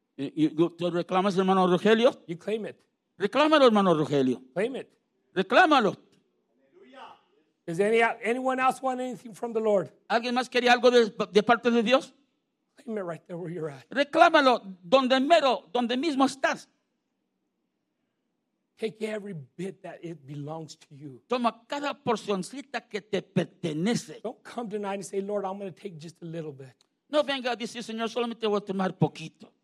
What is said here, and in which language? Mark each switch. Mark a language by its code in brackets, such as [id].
[es] ¿Tú reclamas, hermano Rogelio? [en] You claim it. [es] Reclámalo, hermano Rogelio. [en] Claim it. [es] Reclámalo. [en] Does anyone else want anything from the Lord? [es] ¿Alguien más quería algo de parte de Dios? [en] Claim it right there where you're at. [es] Reclámalo donde mero, donde mismo estás. [en] Take every bit that it belongs to you. [es] Toma cada porcioncita que te pertenece. [en] Don't come tonight and say, Lord, I'm going to take just a little bit. [es] No venga a decir, Señor, solamente voy a tomar poquito.